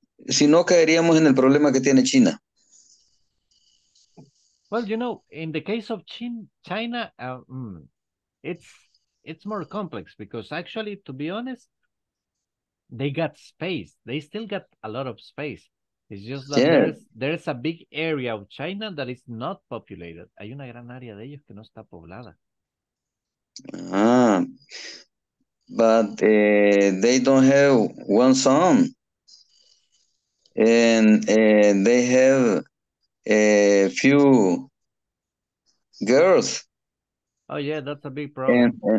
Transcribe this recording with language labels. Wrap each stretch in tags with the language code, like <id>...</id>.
<es>Si no, caeríamos en el problema que tiene China.</es> <en>Well, you know, in the case of China, it's more complex because actually, to be honest, they got space. They still got a lot of space. It's just that there's a big area of China that is not populated.</en> <es>Hay una gran área de ellos que no está poblada. Ah.</es> <en>But they don't have one son, and they have a few girls. Oh yeah, that's a big problem.</en>